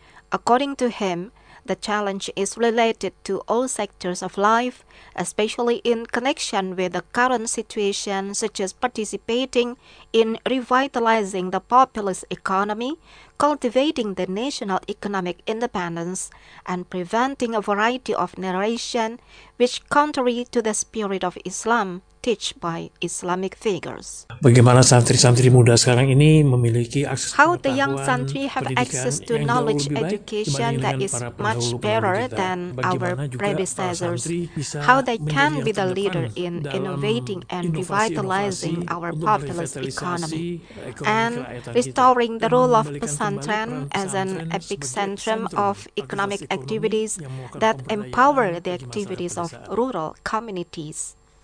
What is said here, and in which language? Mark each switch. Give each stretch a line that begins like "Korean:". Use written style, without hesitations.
English: According to him, the challenge is related to all sectors of life, especially in connection with the current situation, such as participating in revitalizing the populous economy, cultivating the national economic independence, and preventing a variety of narration which contrary to the spirit of Islam teach by Islamic figures.
Indonesian: Bagaimana santri-santri muda sekarang ini memiliki akses
English: How the young santri have access to knowledge education that is much better than our predecessors. How they can be the leader in innovating and revitalizing our populous economy and restoring the role of pesantren as an epicentrum of economic activities that empower the activities of rural communities.